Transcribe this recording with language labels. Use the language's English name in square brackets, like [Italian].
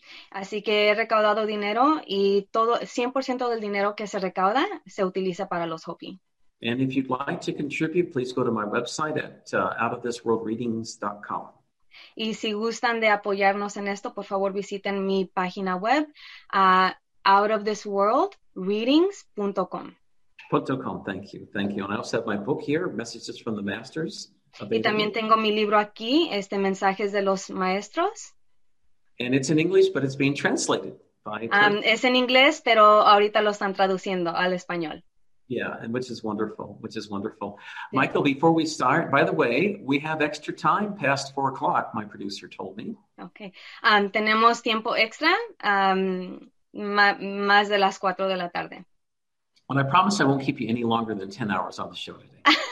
[Spanish] Así que he recaudado dinero y todo 100% del dinero que se recauda se utiliza para los Hopi. [English] And if you'd like to contribute, please go to my website at outofthisworldreadings.com. [Spanish] Y si gustan de apoyarnos en esto, por favor visiten mi página web a outofthisworldreadings.com. [English] .com, thank you. Thank you. And I also have my book here, Messages from the Masters, [Spanish] Y también [English] available. [Spanish] tengo mi libro aquí, Mensajes de los Maestros. [English] And it's in English, but it's being translated by Terry. [Spanish] Es en inglés, pero ahorita lo están traduciendo al español. [English] Yeah, and which is wonderful, which is wonderful. [Spanish] Sí. [English] Michael, before we start, by the way, we have extra time past 4 o'clock, my producer told me. Okay. [Spanish] Tenemos tiempo extra, más de las 4 de la tarde. [English] And I promise I won't keep you any longer than 10 hours on the show today.